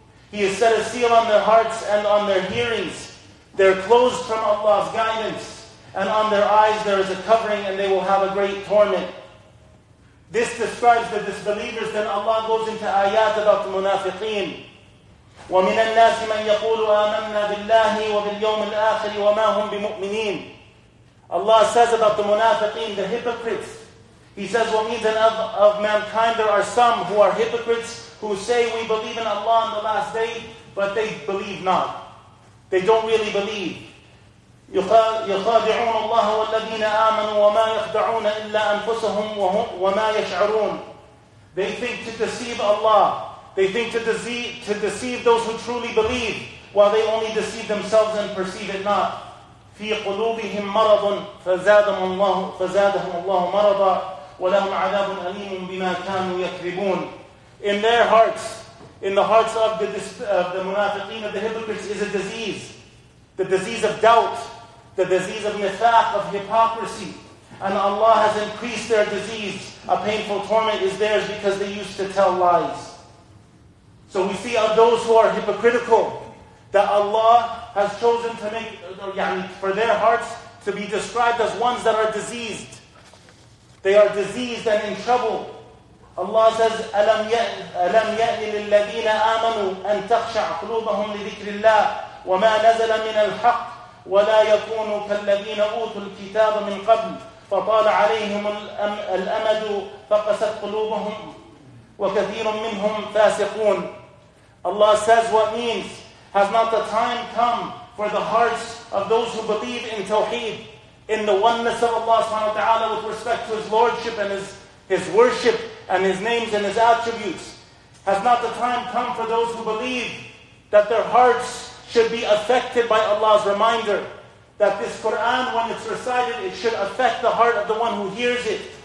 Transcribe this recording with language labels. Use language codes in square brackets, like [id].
[en] He has set a seal on their hearts and on their hearings. They're closed from Allah's guidance. And on their eyes there is a covering and they will have a great torment. This describes the disbelievers. Then Allah goes into ayat about the munafiqeen. [ar] وَمِنَ النَّاسِ مَنْ يَقُولُ آمَنَّا بِاللَّهِ وَبِالْيَوْمِ الْآخِرِ وَمَا هُمْ بِمُؤْمِنِينَ [en] Allah says about the munafiqeen, the hypocrites. He says, what means of mankind there are some who are hypocrites who say we believe in Allah on the last day, but they believe not. They don't really believe. [ar] يُخَادِعُونَ اللَّهَ وَالَّذِينَ آمَنُوا وَمَا يَخْدَعُونَ إِلَّا أَنفُسَهُمْ وَمَا يَشْعَرُونَ [en] They think to deceive Allah. They think to deceive those who truly believe, while they only deceive themselves and perceive it not. [ar] فِي قُلُوبِهِمْ مَرَضٌ فَزَادَهُمُ اللَّهُ مَرَضًا وَلَهُمْ عَذَابٌ أَلِيمٌ بِمَا كَانُوا يَكْرِبُونَ [en] In their hearts, in the hearts of the munafiqeen, of the hypocrites, is a disease. The disease of doubt, the disease of nifaq, of hypocrisy. And Allah has increased their disease. A painful torment is theirs because they used to tell lies. So we see of those who are hypocritical, that Allah has chosen to make, for their hearts to be described as ones that are diseased. They are diseased and in trouble. Allah says, أَلَمْ يَأْنِ لِلَّذِينَ آمَنُوا أَن تَخْشَعْ قُلُوبَهُمْ لِذِكْرِ اللَّهِ وَمَا نَزَلَ مِنَ الْحَقِّ وَلَا يَكُونُوا كَالَّذِينَ أُوتُوا الْكِتَابَ مِنْ قَبْلِ فَطَالَ عَلَيْهِمُ الْأَمَدُ فَقَسَتْ قُلُوبَهُمْ وَكَثِيرٌ مِّنْهُمْ فَاسِقُونَ Allah says, what means, has not the time come for the hearts of those who believe in Tawheed, in the oneness of Allah subhanahu wa ta'ala with respect to His Lordship and His worship and His names and His attributes? Has not the time come for those who believe that their hearts should be affected by Allah's reminder? That this Qur'an, when it's recited, it should affect the heart of the one who hears it.